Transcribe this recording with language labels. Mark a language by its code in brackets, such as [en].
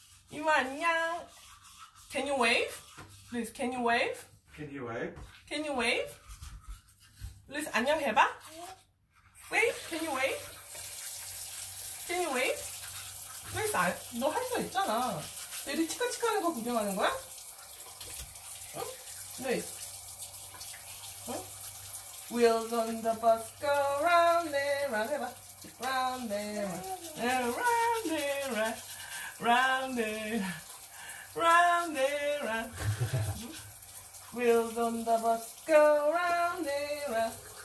[ko] 이모 안녕. [en] Can you wave? Please, can you wave? Can you wave? Can you wave? Please [ko] 안녕 해봐. [en] Wait, can you wait? Can you wait? Please [ko] 아, 너 할 수 있잖아. 왜 이렇게 치카치카하는 거 구경하는 거야? 응? [en] Wait. [ko] 응? [en] Wheels on the bus go round and round [ko] 해봐. [en] Round and round. Round and round. Round and round. Round and round. Wheels on the bus go round and round.